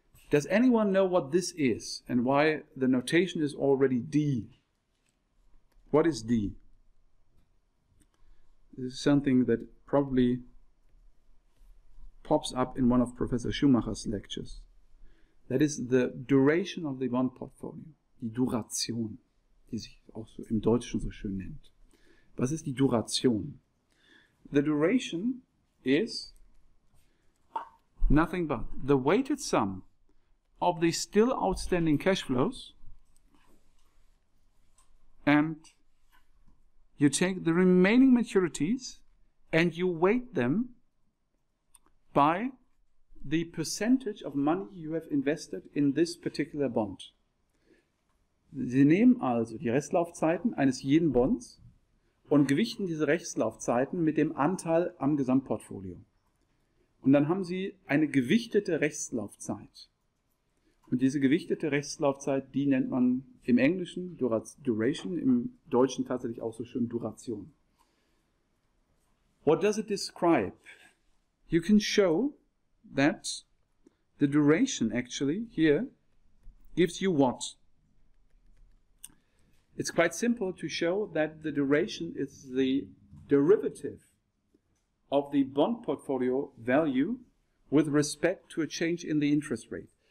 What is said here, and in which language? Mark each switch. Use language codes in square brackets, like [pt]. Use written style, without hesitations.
[en] Does anyone know what this is and why the notation is already D? What is D? This is something that probably pops up in one of Professor Schumacher's lectures. That is the duration of the bond portfolio. [de] Die Duration, die sich auch so im Deutschen so schön nennt. Was ist die Duration? [en] The duration is nothing but the weighted sum of the still outstanding cash flows, and you take the remaining maturities and you weight them by the percentage of money you have invested in this particular bond. [de] Sie nehmen also die Restlaufzeiten eines jeden Bonds und gewichten diese Restlaufzeiten mit dem Anteil am Gesamtportfolio. Und dann haben Sie eine gewichtete Restlaufzeit. Und diese gewichtete Restlaufzeit, die nennt man im Englischen Duration, im Deutschen tatsächlich auch so schön Duration. [en] What does it describe? You can show that the duration actually here gives you what? It's quite simple to show that the duration is the derivative of the bond portfolio value with respect to a change in the interest rate.